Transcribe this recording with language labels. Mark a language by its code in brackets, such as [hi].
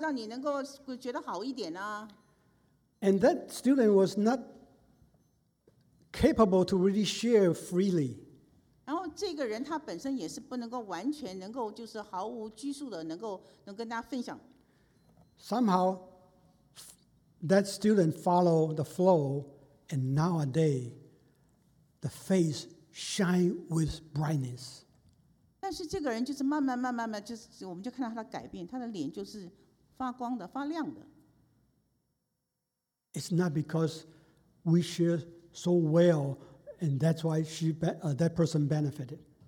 [zh] 我们并没有说就是摆明的说,哦,我们要鼓励你啊,我们要让你能够觉得好一点啊。 [en] And that student was not capable to really share freely. [zh] 然后这个人他本身也是不能够完全能够就是毫无拘束的能够跟大家分享。 [en] Somehow, that student followed the flow, and nowadays, the face shines with brightness. [zh] 但是这个人就是慢慢,我们就看到他的改变,他的脸就是发光的,发亮的。 [en] It's not because we share so well, and that's why that person benefited.